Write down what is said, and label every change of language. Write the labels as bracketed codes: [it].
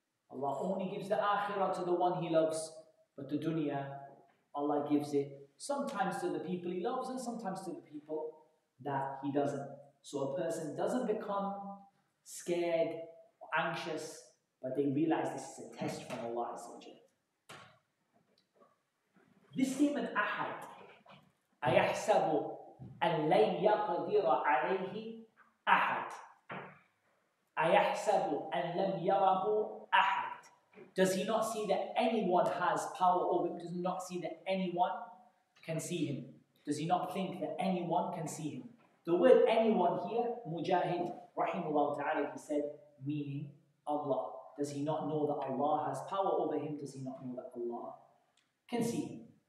[en] Allah only gives the akhirah to the one He loves. But the dunya, Allah gives it sometimes to the people He loves and sometimes to the people that He doesn't. So a person doesn't become scared or anxious, but they realize this is a test from Allah. This statement, [ar] أحد أيحسب أن لن يقدر عليه أحد أيحسب أن لم يره أحد. [en] Does he not see that anyone has power over him? Does he not see that anyone can see him? Does he not think that anyone can see him? The word anyone here, Mujahid, rahimahullah ta'ala, he said, meaning Allah. Does he not know that Allah has power over him? Does he not know that Allah can see him?